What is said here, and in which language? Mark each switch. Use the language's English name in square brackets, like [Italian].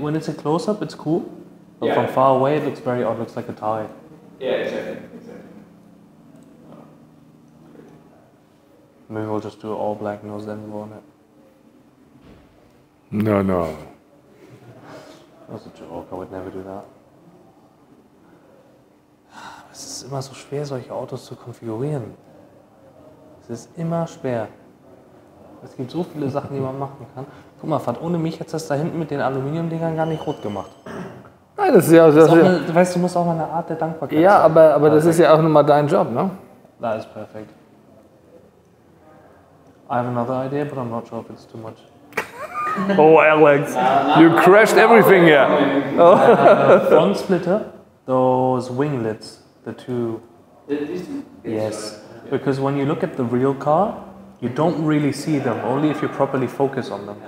[English] When it's a close up, it's cool. But yeah. From far away, it looks very odd. Looks like a tie. Yeah. Exactly. Maybe we'll just do all black nose then, won't it? No. That was a joke, I would never do that. [German] Es ist immer so schwer, solche Autos zu konfigurieren. Es ist immer schwer. Es gibt so viele Sachen, die man machen kann. Guck mal, Fad, ohne mich hat das da hinten mit den Aluminiumdingern gar nicht rot gemacht. Nein, das ist ja... Das ist auch eine, du weißt, du musst auch mal eine Art der Dankbarkeit sein. Ja, aber das ist ja auch nochmal dein Job, ne? [English] That is perfect. I have another idea, but I'm not sure if it's too much. Oh, Alex, you crashed everything here. Yeah. Front splitter, those winglets, the two. Yes, because when you look at the real car, you don't really see them, only if you properly focus on them.